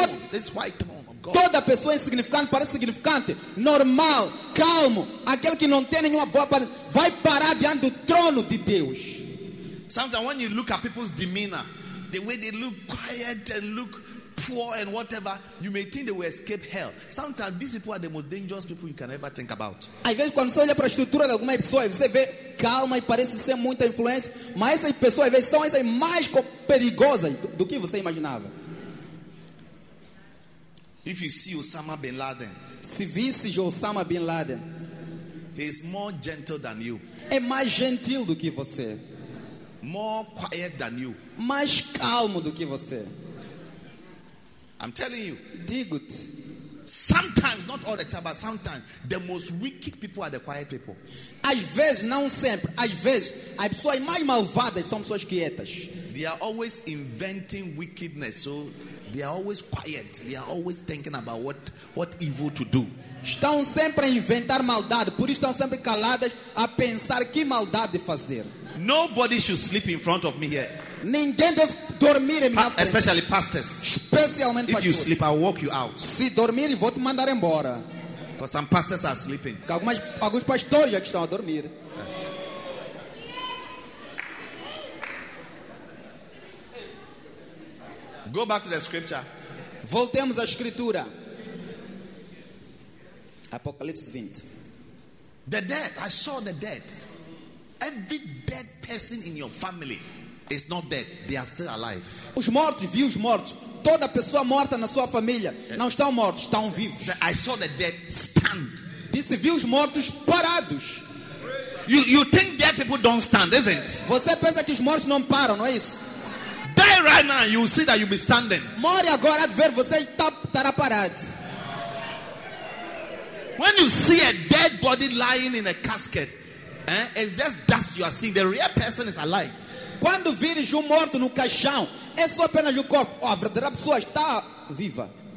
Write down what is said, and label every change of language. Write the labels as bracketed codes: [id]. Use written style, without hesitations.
[en] This white throne of God. [pt] Toda pessoa insignificante, parece significante, normal, calmo, aquele que não tem nenhuma boa parte, vai parar diante do trono de Deus. [en] Sometimes when you look at people's demeanor, the way they look quiet and look poor and whatever, you may think they will escape hell. Sometimes these people are the most dangerous people you can ever think about. [pt] Às vezes quando você olha para a estrutura de alguma pessoa, você vê calma e parece ser muita influência, mas essas pessoas às vezes são essas mais perigosas do que você imaginava. [en] If you see Osama bin Laden, [pt] se visse Osama bin Laden, [en] he is more gentle than you. [pt] É mais gentil do que você. [en] More quiet than you. [pt] Mais calmo do que você. [en] I'm telling you. [pt] Digo-te. [en] Sometimes, not all the time, but sometimes, the most wicked people are the quiet people. [pt] Às vezes, não sempre. Às vezes, as pessoas mais malvadas são pessoas quietas. [en] They are always inventing wickedness, so they are always quiet. They are always thinking about what evil to do. [pt] Estão sempre a inventar maldade, por isso estão sempre caladas a pensar que maldade fazer. [en] Nobody should sleep in front of me here. [pt] Ninguém deve dormir em minha frente. [en] Especially pastors. [pt] Especialmente pastores. [en] If you sleep, I'll walk you out. [pt] Se dormir, vou te mandar embora. [en] Because some pastors are sleeping. [pt] Alguns pastores já estão a dormir. [en] Yes. Go back to the scripture. [pt] Voltemos à escritura. Apocalipse 20. [en] The dead. I saw the dead. Every dead person in your family is not dead. They are still alive. [pt] Os mortos, vi os mortos. Toda pessoa morta na sua família não estão mortos, estão vivos. [en] So I saw the dead stand. [pt] Disse, vi os mortos parados. [en] You think dead people don't stand, isn't it? [pt] Você pensa que os mortos não param, não é isso? [en] Die right now, you will see that you'll be standing. [pt] Morre agora, ver você estará parado. [en] When you see a dead body lying in a casket, it's just dust you are seeing. The real person is alive. [pt] Quando vires morto no caixão, é só apenas o corpo. A verdadeira pessoa está viva.